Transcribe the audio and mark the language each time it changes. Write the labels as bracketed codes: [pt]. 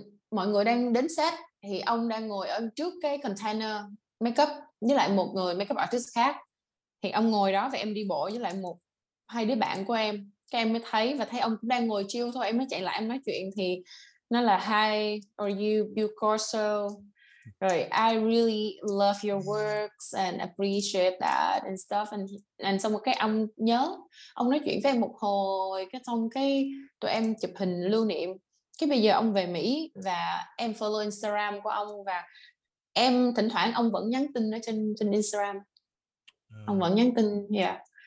[vi] Mọi người đang đến set thì ông đang ngồi ở trước cái container makeup với lại một người makeup artist khác. Thì ông ngồi đó và em đi bộ với lại một hai đứa bạn của em. Các em mới thấy và thấy ông cũng đang ngồi chill thôi, em mới chạy lại em nói chuyện, thì nó là [en] "Hi, are you Bill Corso?" Rồi "I really love your works and appreciate that and stuff." [vi] And xong một cái ông nhớ, ông nói chuyện với em một hồi, cái xong cái tụi em chụp hình lưu niệm. Cái bây giờ ông về Mỹ và em follow Instagram của ông, và em thỉnh thoảng ông vẫn nhắn tin ở trên Instagram. Ông vẫn nhắn tin. Yeah.